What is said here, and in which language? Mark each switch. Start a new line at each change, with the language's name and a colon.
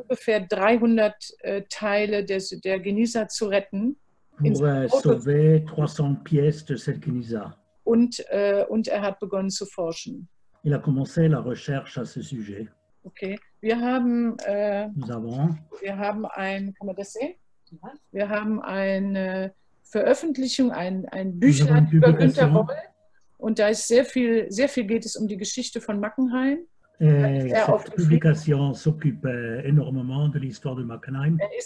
German: ungefähr 300 Teile der Gnisa zu retten.
French: Pour sauver 300 pièces de cette Gnisa.
German: Und er hat begonnen zu forschen.
French: Il a commencé la recherche à ce sujet.
German: Okay. Wir haben,
French: Nous avons.
German: Wir haben ein, kann man das sehen? Wir haben eine Veröffentlichung, ein Bücher über Günter Boll. Und da ist sehr viel geht es um die Geschichte von Mackenheim.
French: Cette publication s'occupe énormément de l'histoire de Mackenheim.